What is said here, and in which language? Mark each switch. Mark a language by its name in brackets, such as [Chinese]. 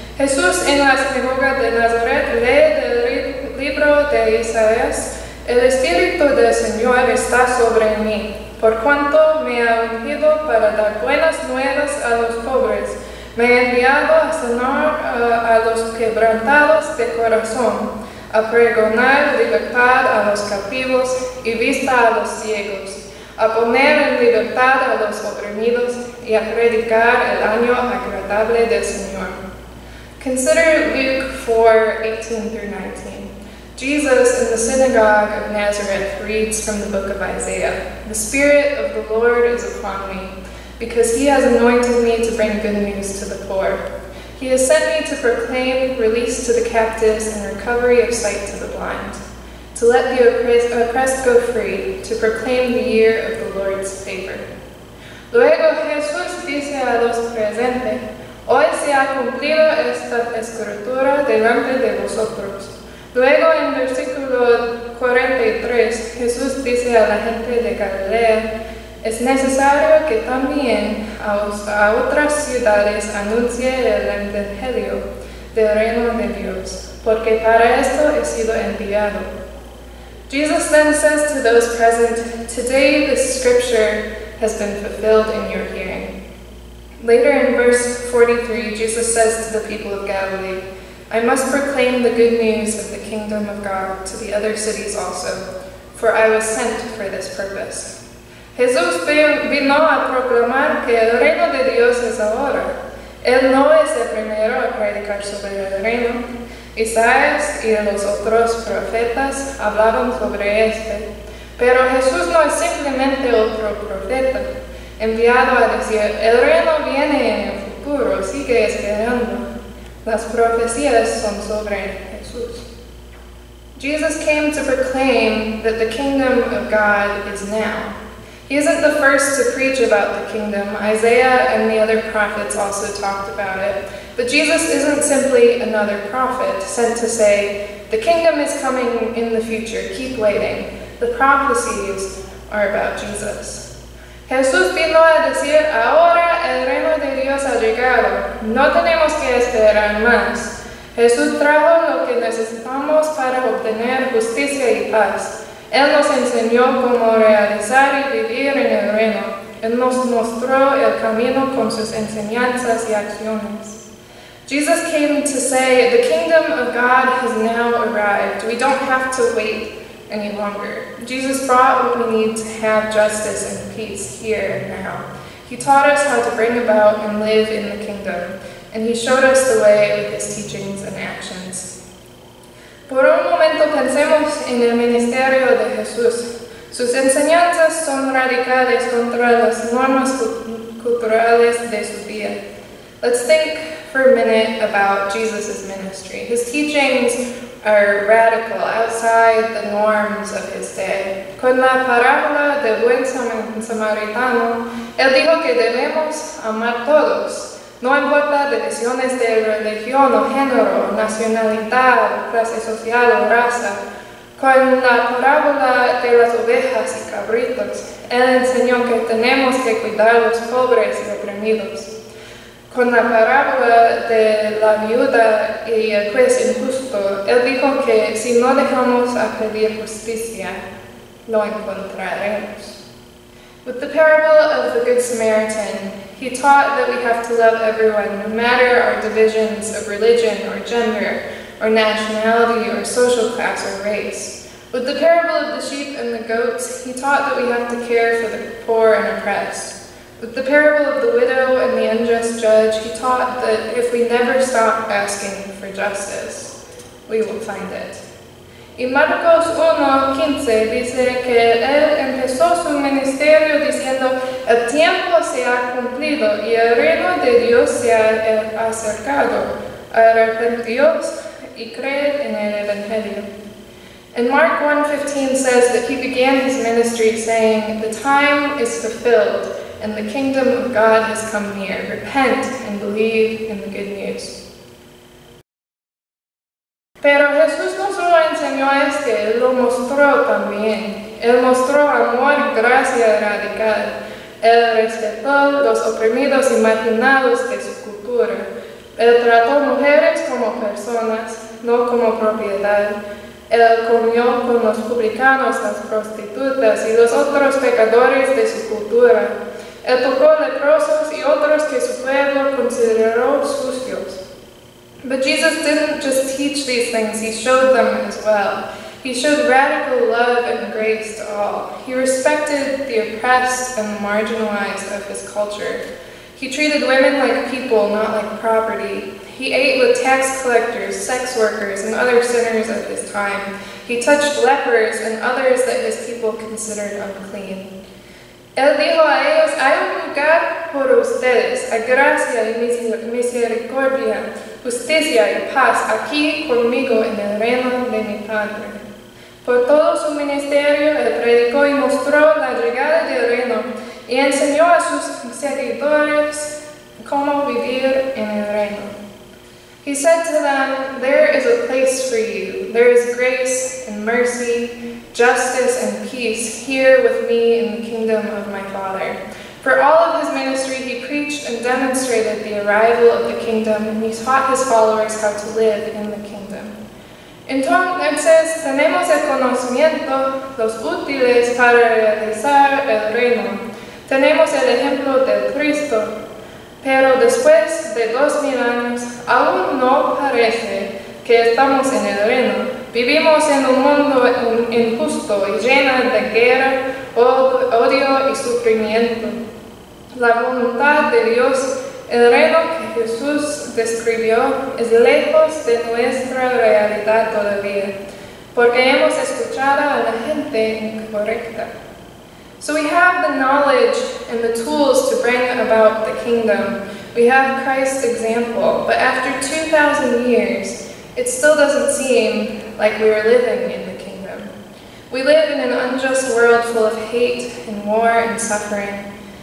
[Spanish] Jesús en la sinagoga de Nazaret lee del libro de Isaías, El Espíritu del Señor está sobre mí, por cuanto me ha ungido para dar buenas nuevas a los pobres, me ha enviado a sanar a los quebrantados de corazón, a pregonar libertad a los cautivos y vista a los ciegos, a poner en libertad a los oprimidos y a predicar el año agradable del Señor. [English] Consider Luke 4:18-19. Jesus in the synagogue of Nazareth reads from the book of Isaiah. The Spirit of the Lord is upon me, because he has anointed me to bring good news to the poor. He has sent me to proclaim release to the captives and recovery of sight to the blind, to let the oppressed go free, to proclaim the year of the Lord's favor. [Spanish] Luego Jesús dice a los presentes, hoy se ha cumplido esta escritura delante de vosotros. Luego en versículo 43, Jesús dice a la gente de Galilea, es necesario que también a otras ciudades anuncie el evangelio del reino de Dios, porque para esto he sido enviado. [English] Jesus then says to those present, today the scripture has been fulfilled in your hearing. Later in verse 43, Jesus says to the people of Galilee, I must proclaim the good news of the kingdom of God to the other cities also, for I was sent for this purpose. [Spanish] Jesús vino a proclamar que el reino de Dios es ahora. Él no es el primero a predicar sobre el reino. Isaías y los otros profetas hablaron sobre este. Pero Jesús no es simplemente otro profeta, enviado a decir, el reino viene en el futuro, sigue esperando. Las profecías son sobre Jesús. [English] Jesus came to proclaim that the kingdom of God is now. He isn't the first to preach about the kingdom. Isaiah and the other prophets also talked about it. But Jesus isn't simply another prophet sent to say, the kingdom is coming in the future, keep waiting. The prophecies are about Jesus. [Spanish] Jesús vino a decir, ahora el reino de Dios ha llegado. No tenemos que esperar más. Jesús trajo lo que necesitamos para obtener justicia y paz. Él nos enseñó cómo realizar y vivir en el reino. Él nos mostró el camino con sus enseñanzas y acciones. [English] Jesus came to say, the kingdom of God has now arrived. We don't have to wait any longer. Jesus brought what we need to have justice and peace here and now. He taught us how to bring about and live in the kingdom, and he showed us the way with his teachings and actions. [Spanish] Por un momento pensemos en el ministerio de Jesús. Sus enseñanzas son radicales contra las normas culturales de su día. [English] Let's think for a minute about Jesus' ministry. His teachings are radical, outside the norms of his day. [Spanish] Con la parábola del buen samaritano, él dijo que debemos amar todos. No importa decisiones de religión o género, nacionalidad, clase social o raza. Con la parábola de las ovejas y cabritos, él enseñó que tenemos que cuidar a los pobres y oprimidos. Con la parábola de la viuda y el juez injusto, él dijo que si no dejamos a pedir justicia, lo encontraremos. [English] With the parable of the Good Samaritan, he taught that we have to love everyone, no matter our divisions of religion or gender or nationality or social class or race. With the parable of the sheep and the goats, he taught that we have to care for the poor and oppressed. With the parable of the widow and the unjust judge, he taught that if we never stop asking for justice, we will find it. [Spanish] Y Marcos 1:15 dice que él empezó su ministerio diciendo, el tiempo se ha cumplido y el reino de Dios se ha acercado. Arrepentíos y creed en el Evangelio. [English] And Mark 1:15 says that he began his ministry saying, the time is fulfilled and the kingdom of God has come near. Repent and believe in the good news. [Spanish] Pero Jesús no solo enseñó este, él lo mostró también. Él mostró amor y gracia radical. Él respetó los oprimidos y marginados de su cultura. Él trató mujeres como personas, no como propiedad. Él comió con los publicanos, las prostitutas y los otros pecadores de su cultura. Él tocó leprosos y otros que su pueblo consideró sucios. [English] But Jesus didn't just teach these things, he showed them as well. He showed radical love and grace to all. He respected the oppressed and marginalized of his culture. He treated women like people, not like property. He ate with tax collectors, sex workers, and other sinners of his time. He touched lepers and others that his people considered unclean. [Spanish] Él dijo a ellos, hay un lugar por ustedes, a gracia y misericordia, justicia y paz, aquí conmigo en el reino de mi Padre. Por todo su ministerio, él predicó y mostró la llegada del reino, y enseñó a sus seguidores cómo vivir en el reino. [English] He said to them, there is a place for you. There is grace and mercy, justice and peace here with me in the kingdom of my Father. For all of his ministry, he preached and demonstrated the arrival of the kingdom, and he taught his followers how to live in the kingdom. [Spanish] Entonces, tenemos el conocimiento, los útiles para realizar el reino. Tenemos el ejemplo del Cristo. Pero después de 2000 años, aún no parece que estamos en el reino. Vivimos en un mundo injusto y lleno de guerra, odio y sufrimiento. La voluntad de Dios, el reino que Jesús describió, es lejos de nuestra realidad todavía, porque hemos escuchado a la gente incorrecta. [English] So we have the knowledge and the tools to bring about the kingdom. We have Christ's example, but after 2,000 years, it still doesn't seem like we are living in the kingdom. We live in an unjust world full of hate and war and suffering.